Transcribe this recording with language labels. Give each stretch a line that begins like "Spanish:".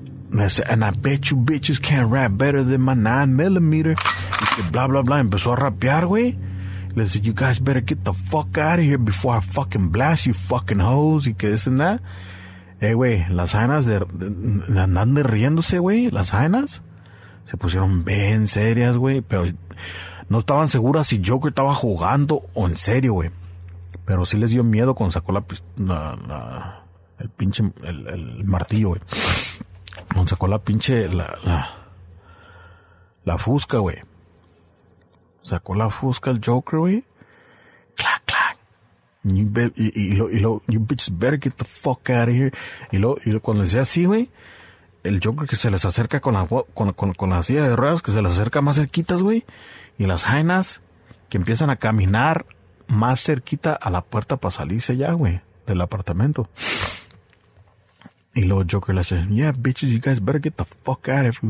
Spanish: Me dice,
English: and I bet you bitches can't rap better than my 9mm. Y que bla, bla, bla.
Spanish: Empezó a rapear, güey. Le dice,
English: you guys better get the fuck out of here before I fucking blast you fucking hoes.
Spanish: Y que this and that. Güey, las hainas de andan de riéndose, güey. Las hainas se pusieron bien serias, güey. Pero no estaban seguras si Joker estaba jugando o en serio, güey. Pero sí les dio miedo cuando sacó el martillo, güey. Cuando sacó la fusca, güey. Sacó la fusca el Joker, güey.
English: You bitches better get the fuck out of here.
Spanish: Y luego cuando le decía así, güey, el Joker que se les acerca con la silla de ruedas, que se les acerca más cerquitas, güey, y las hainas que empiezan a caminar más cerquita a la puerta para salirse ya, güey, del apartamento. Y luego Joker le dice,
English: yeah, bitches, you guys better get the fuck out of here.